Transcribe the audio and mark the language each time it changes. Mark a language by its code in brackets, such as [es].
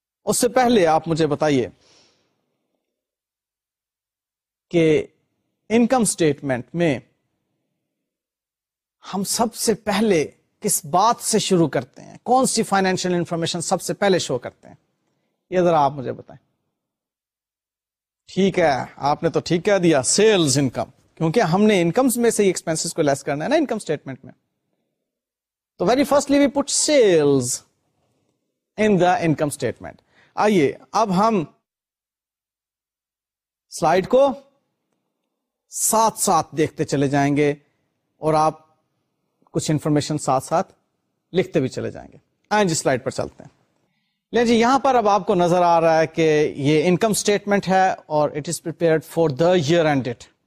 [ur] اس سے پہلے آپ مجھے بتائیے کہ انکم اسٹیٹمنٹ میں ہم سب سے پہلے کس بات سے شروع کرتے ہیں, کون سی فائنینشیل انفارمیشن سب سے پہلے شو کرتے ہیں, یہ ذرا آپ مجھے بتائیں. ٹھیک ہے, آپ نے تو ٹھیک کہہ دیا, سیلز انکم, کیونکہ ہم نے انکمز میں سے ہی ایکسپنسز کو لیس کرنا ہے نا انکم اسٹیٹمنٹ میں. [en] تو very firstly we put sales in the income statement. [ur] آئیے اب ہم سلائیڈ کو ساتھ ساتھ دیکھتے چلے جائیں گے اور آپ کچھ انفارمیشن ساتھ ساتھ لکھتے بھی چلے جائیں گے. آئیں جی سلائیڈ پر چلتے ہیں. لیں جی, یہاں پر اب آپ کو نظر آ رہا ہے کہ یہ انکم اسٹیٹمنٹ ہے اور [en] It is prepared for the year end date.